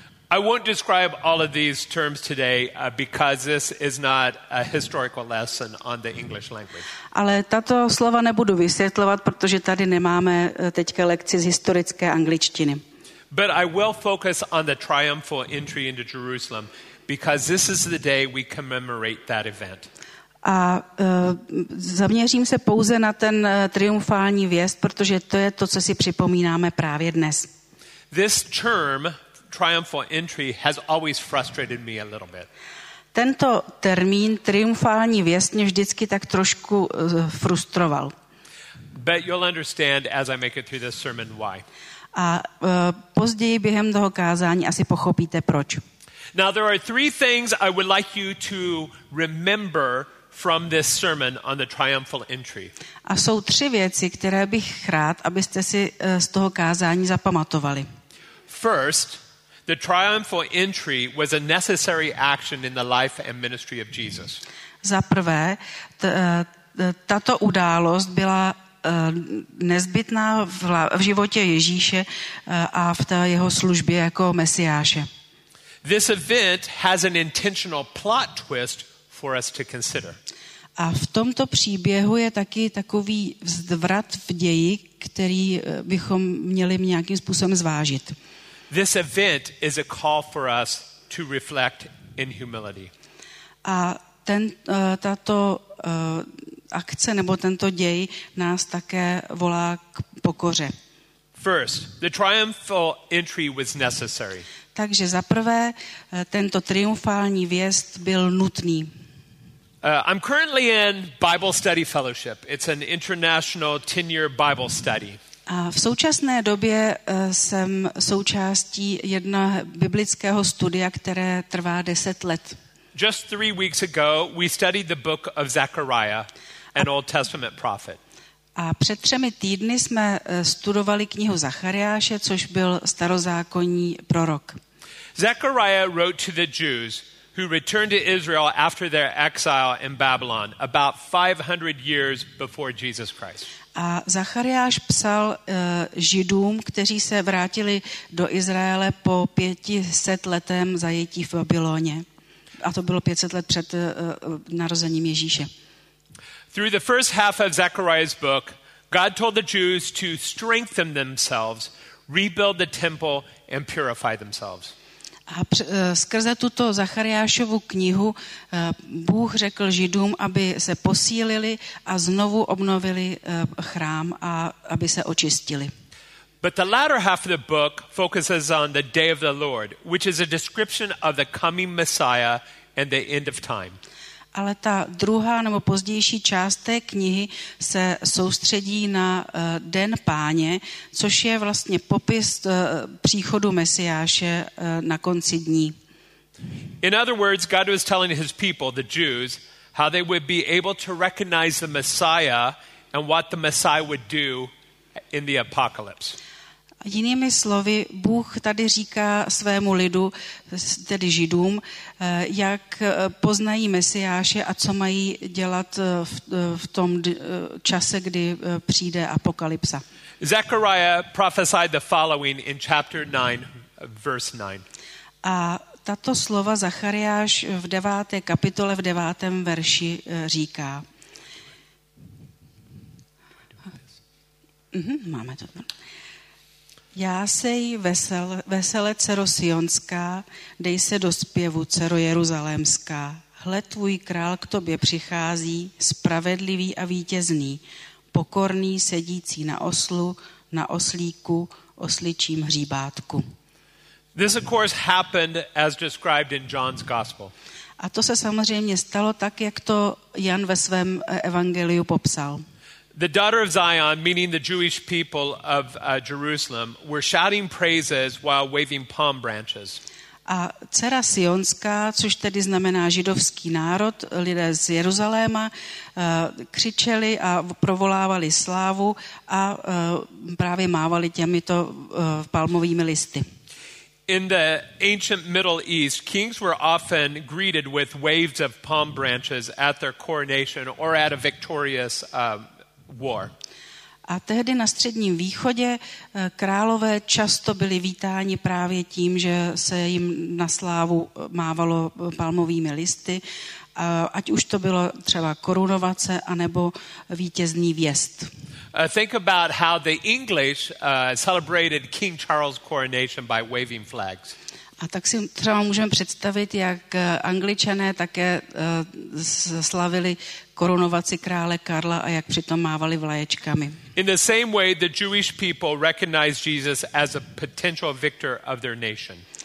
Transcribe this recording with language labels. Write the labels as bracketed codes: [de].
[en] I won't describe all of these terms today because this is not a historical lesson on the English language. [cs] Ale tato slova nebudu vysvětlovat, protože tady nemáme teďka lekci z historické angličtiny. [en] But I will focus on the triumphal entry into Jerusalem because this is the day we commemorate that event. [cs] A zaměřím se pouze na ten triumfální vjezd, protože to je to, co si připomínáme právě dnes. [en] This term triumphal entry has always frustrated me a little bit. [cs] Tento termín triumfální vjezd mě vždycky tak trošku frustroval. [en] But you'll understand as I make it through this sermon why. [cs] A později během toho kázání asi pochopíte proč. [en] Now there are three things I would like you to remember from this sermon on the triumphal entry. [cs] A jsou tři věci, které bych rád, abyste si z toho kázání zapamatovali. [en] First, the triumphal entry was a necessary action in the life and ministry of Jesus. [cs] Za prvé, tato událost byla nezbytná v životě Ježíše a v té jeho službě jako mesiáše. [en] This event has an intentional plot twist for us to consider. [cs] A v tomto příběhu je taky takový zvrat v ději, který bychom měli nějakým způsobem zvážit. [en] This event is a call for us to reflect in humility. [cs] A ten tato akce nebo tento děj nás také volá k pokoře. [en] First, the triumphal entry was necessary. [cs] Takže za prvé tento triumfální vjezd byl nutný. [en] I'm currently in Bible study fellowship. It's an international 10-year Bible study. [cs] A v současné době jsem součástí jednoho biblického studia, které trvá 10 let. [en] Just 3 weeks ago, we studied the book of Zechariah, an Old Testament prophet. [cs] A před 3 týdny jsme studovali knihu Zachariáše, což byl starozákonní prorok. [en] Zechariah wrote to the Jews who returned to Israel after their exile in Babylon about 500 years before Jesus Christ. [cs] A Zachariáš psal Židům, kteří se vrátili do Izraele po 500letém zajetí v Babyloně. A to bylo 500 let před narozením Ježíše. [en] Through the first half of Zechariah's book, God told the Jews to strengthen themselves, rebuild the temple and purify themselves. [cs] A skrze tuto Zachariášovu knihu Bůh řekl Židům, aby se posílili a znovu obnovili chrám a aby se očistili. [en] But the latter half of the book focuses on the day of the Lord, which is a description of the coming Messiah and the end of time. [cs] Ale ta druhá nebo pozdější část té knihy se soustředí na den Páně, což je vlastně popis příchodu Mesiáše na konci dní. [en] In other words, God was telling his people, the Jews, how they would be able to recognize the Messiah and what the Messiah would do in the apocalypse. [cs] Jinými slovy, Bůh tady říká svému lidu, tedy Židům, jak poznají Mesiáše a co mají dělat v tom čase, kdy přijde apokalypsa. [en] Zechariah prophesied the following in chapter 9, verse 9. [cs] A tato slova Zachariáš v 9. kapitole v 9. verši říká. Máme to. Jásej veselé, dcero Sionská, dej se do zpěvu, dcero Jeruzalémská. Hle, tvůj král k tobě přichází, spravedlivý a vítězný, pokorný, sedící na oslu, na oslíku, osličím hříbátku. [en] This of course happened as described in John's gospel. [cs] A to se samozřejmě stalo tak, jak to Jan ve svém evangeliu popsal. [en] The daughter of Zion, meaning the Jewish people of Jerusalem, were shouting praises while waving palm branches. [cs] A dcera Sionská, což tedy znamená židovský národ, lidé z Jeruzaléma, křičeli a provolávali slávu a právě mávali těmito palmovými listy. [en] In the ancient Middle East, kings were often greeted with waves of palm branches at their coronation or at a victorious war. [cs] A tehdy na středním východě králové často byli vítáni právě tím, že se jim na slávu mávalo palmovými listy, ať už to bylo třeba korunovace anebo vítězný vjezd. [en] Think about how the English celebrated King Charles' coronation by waving flags. [cs] A tak si třeba můžeme představit, jak Angličané také slavili korunovaci krále Karla a jak přitom mávali vlaječkami. [en] In the same way the Jewish people recognized Jesus as a potential victor of their nation.